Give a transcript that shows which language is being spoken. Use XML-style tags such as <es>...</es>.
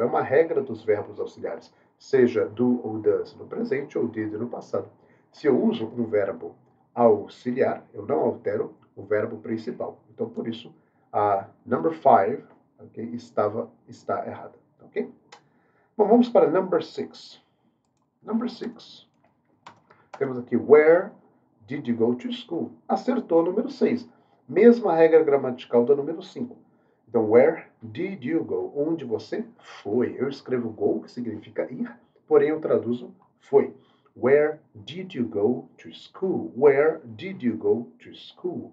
<pt>É uma regra dos verbos auxiliares, seja do ou does no presente ou did no passado. Se eu uso um verbo auxiliar, eu não altero o verbo principal. Então, por isso, a number 5, okay, está errada. Okay? Bom, vamos para a number 6. Number 6, temos aqui,</pt> <en>where did you go to school?</en> <pt>Acertou o número 6, mesma regra gramatical da número 5. Então,</pt> <en>where did you go?</en> <pt>Onde você foi? Eu escrevo go, que significa ir, porém eu traduzo foi.</pt> <en>Where did you go to school? Where did you go to school?</en>